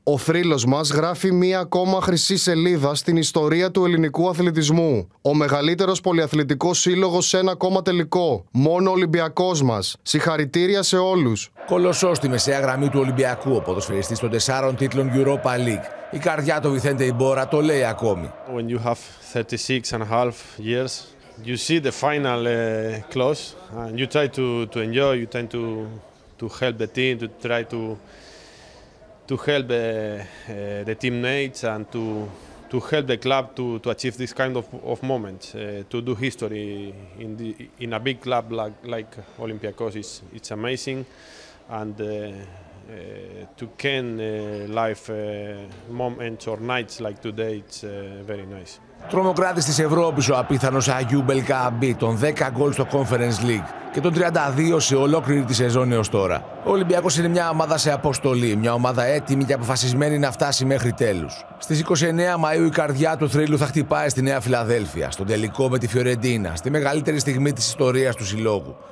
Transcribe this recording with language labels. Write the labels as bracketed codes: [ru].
[el] Ο θρύλος μας γράφει μία ακόμα χρυσή σελίδα στην ιστορία του ελληνικού αθλητισμού. Ο μεγαλύτερος πολυαθλητικός σύλλογος σε ένα ακόμα τελικό. Μόνο Ολυμπιακός μας. Συγχαρητήρια σε όλους. Κολοσσός στη μεσαία γραμμή του Ολυμπιακού, ο ποδοσφαιριστής των τεσσάρων τίτλων Europa League. Η καρδιά του Βιθέντε Ιμπόρα το λέει ακόμη. [en] When you have 36 and a half years, you see the final close and you try to enjoy, you try to help the team, to try to help the teammates and to help the club to achieve this kind of moment, to do history in a big club like Olympiacos it's amazing and to can live moments or nights like today it's very nice. [el] Τρομοκράτης της Ευρώπης ο απίθανος Αγιού Μπελκαμπή, των 10 γκολ στο Conference League και των 32 σε ολόκληρη τη σεζόν έως τώρα. Ο Ολυμπιακός είναι μια ομάδα σε αποστολή, μια ομάδα έτοιμη και αποφασισμένη να φτάσει μέχρι τέλους. Στις 29 Μαΐου η καρδιά του θρύλου θα χτυπάει στη Νέα Φιλαδέλφια, στον τελικό με τη Φιωρεντίνα, στη μεγαλύτερη στιγμή της ιστορίας του συλλόγου.